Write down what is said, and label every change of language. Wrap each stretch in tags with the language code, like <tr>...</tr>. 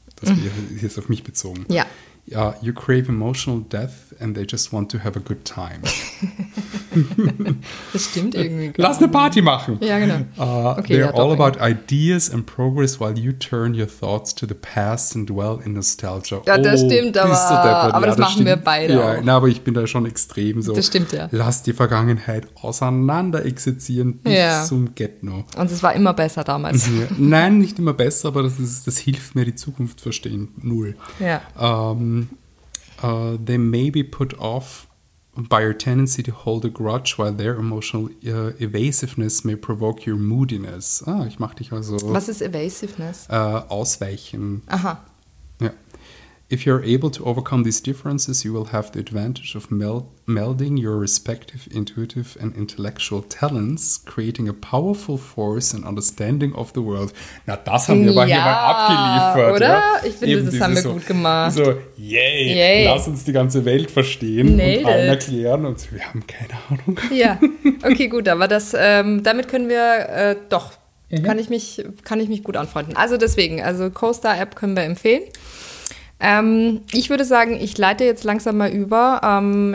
<de>Das ist jetzt auf mich bezogen. Ja.</de> <en>Yeah, you crave emotional death and they just want to have a good time.</en> <de>Das stimmt irgendwie. Lass eine Party machen. Ja, genau.</de> <en>Okay, they're all about ideas and progress while you turn your thoughts to the past and dwell in nostalgia.</en> <de>Ja, das stimmt, aber das machen wir beide auch. Ja, aber ich bin da schon extrem so. Das stimmt, ja. Lass die Vergangenheit auseinander exerzieren bis zum Get-No. Und es war immer besser damals. Nein, nicht immer besser, aber das hilft mir, die Zukunft verstehen. Null. Ja.</de> <en>They may be put off by your tendency to hold a grudge, while their emotional evasiveness may provoke your moodiness.</en> <de>Ah, ich mach dich also. Was ist evasiveness? Ausweichen. Aha.</de> <en>Yeah. If you're able to overcome these differences, you will have the advantage of melding your respective intuitive and intellectual talents, creating a powerful force and understanding of the world.</en> <de>Na, das haben wir hier mal abgeliefert. Oder? Ja. Ich finde, eben das haben wir gut gemacht. So, yay, lass uns die ganze Welt verstehen und allen erklären. Und wir haben keine Ahnung. Ja, okay, gut, aber das, damit können wir doch, kann ich mich gut anfreunden. Also deswegen, also CoStar-App können wir empfehlen. Ich würde sagen, ich leite jetzt langsam mal über.</de>